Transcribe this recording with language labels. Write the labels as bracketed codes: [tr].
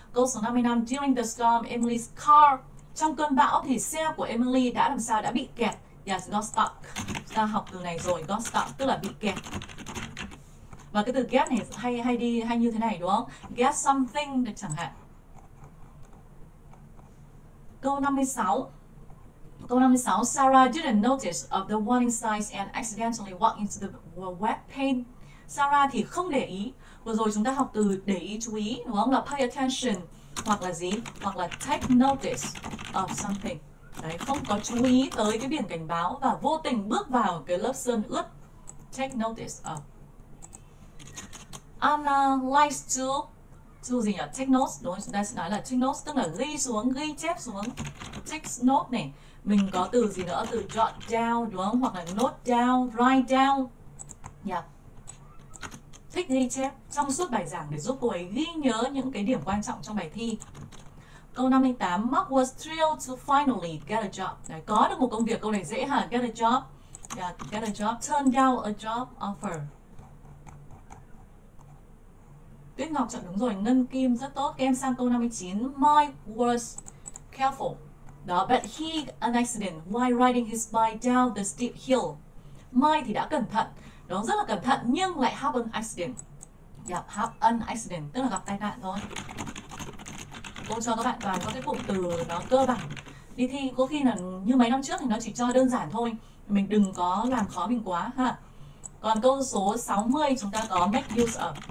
[vi] Câu số 55, [en] during the storm, Emily's car. [vi] Trong cơn bão thì xe của Emily đã làm sao? Đã bị kẹt. [en] Yes, got stuck. [vi] Ta học từ này rồi, [en] got stuck [vi] tức là bị kẹt. Và cái từ get này hay đi hay như thế này đúng không? [en] Get something [vi] được chẳng hạn. [en] Câu 56, Sarah didn't notice of the warning signs and accidentally walked into the wet paint. [vi] Sarah thì không để ý. Vừa rồi chúng ta học từ để ý chú ý đúng không? Là [en] pay attention. [vi] Hoặc là gì? Hoặc là [en] take notice of something. [vi] Đấy, không có chú ý tới cái biển cảnh báo và vô tình bước vào cái lớp sơn ướt. [en] Take notice of. Anna likes to [vi] gì nhỉ? [en] Take notes. [vi] Đúng không? Chúng ta sẽ nói là [en] take notes, [vi] tức là ghi xuống, ghi chép xuống. Take note này. Mình có từ gì nữa? Từ [en] jot down, [vi] đúng không? Hoặc là [en] note down, write down. Yeah. [vi] Thích ghi chép trong suốt bài giảng để giúp cô ấy ghi nhớ những cái điểm quan trọng trong bài thi. [en] Câu 58, Mark was thrilled to finally get a job. [vi] Đấy, có được một công việc, câu này dễ hả? [en] Get a job. Yeah, get a job. Turn down a job offer. [vi] Tuyết Ngọc chọn đúng rồi, Ngân Kim rất tốt. Em sang câu [en] 59, Mike was careful. Đó, but he an accident while riding his bike down the steep hill. [vi] Mike thì đã cẩn thận. Đó, rất là cẩn thận nhưng lại [en] have an accident. Yep, have an accident [vi] tức là gặp tai nạn thôi. Cô cho các bạn toàn có cái cụm từ nó cơ bản. Đi thi có khi là như mấy năm trước thì nó chỉ cho đơn giản thôi. Mình đừng có làm khó mình quá ha. Còn câu số 60 chúng ta có [en] make use of.